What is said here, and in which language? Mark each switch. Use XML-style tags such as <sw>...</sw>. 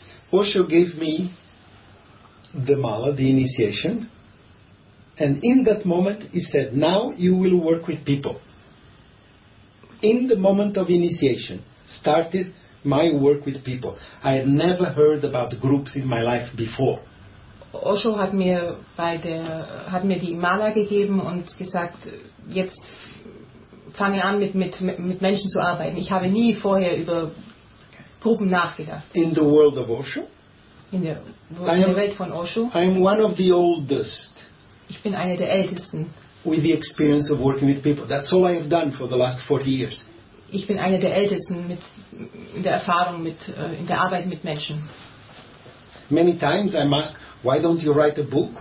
<en>Osho gave me the mala, the initiation, and in that moment he said, now you will work with people. In the moment of initiation, started my work with people. I had never heard about groups in my life before.</en> <de>Osho hat mir die Mala gegeben und gesagt, jetzt fange an mit Menschen zu arbeiten. Ich habe nie vorher über Gruppen nachgedacht.</de> <en>In the world of Osho?</en> <de>In der Welt von Osho?</de> <en>I am one of the oldest.</en> <de>Ich bin eine der Ältesten.</de> <en>With the experience of working with people. That's all I have done for the last 40 years.</en> <de>Ich bin eine der Ältesten mit der Erfahrung mit in der Arbeit mit Menschen.</de> <en>Many times I'm asked, why don't you write a book?</en>